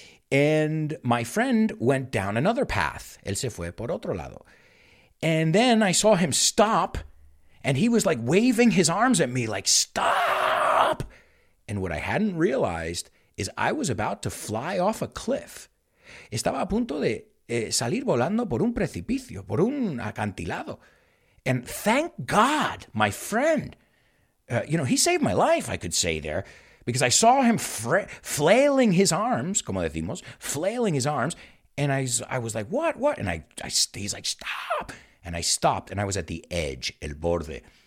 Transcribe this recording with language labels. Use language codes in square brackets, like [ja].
[en] And my friend went down another path. [es] Él se fue por otro lado. [en] And then I saw him stop, and he was like waving his arms at me, like, stop! And what I hadn't realized is I was about to fly off a cliff. [es] Estaba a punto de salir volando por un precipicio, por un acantilado. [en] And thank God, my friend, he saved my life, I could say there, because I saw him flailing his arms, [es] como decimos, [en] flailing his arms, and I was like, what? And he's like, stop! And I stopped, and I was at the edge, el borde.